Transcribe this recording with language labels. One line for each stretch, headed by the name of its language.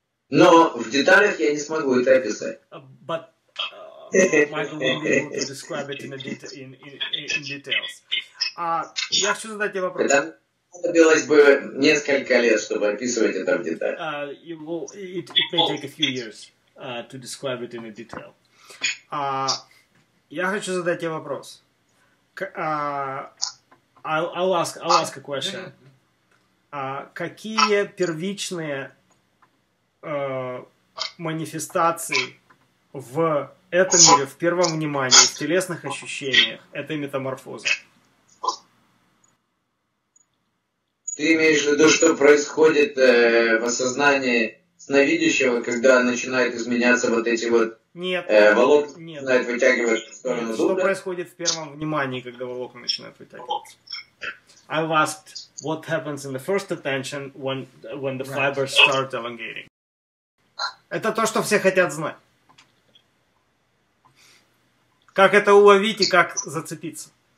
Russian: Но в деталях я не смогу это описать.
English: But Michael will be able to describe it in details.
Russian: Я хочу задать тебе вопрос. Понадобилось бы несколько лет, чтобы описывать это в деталь.
English: It may take a few years to describe it in a detail.
Russian: Я хочу задать тебе вопрос.
English: I'll ask a question.
Russian: Какие первичные манифестации в этом мире, в первом внимании, в телесных ощущениях этой метаморфозы? Ты имеешь в виду, что происходит в осознании сновидящего, когда начинают изменяться вот эти вот волокна, нет, начинают вытягиваться в сторону зубля? Что происходит в первом внимании, когда волокна начинают вытягиваться?
English: I've asked what happens in the first attention when the fibers start elongating.
Russian: Это то, что все хотят знать. Как это уловить и как зацепиться?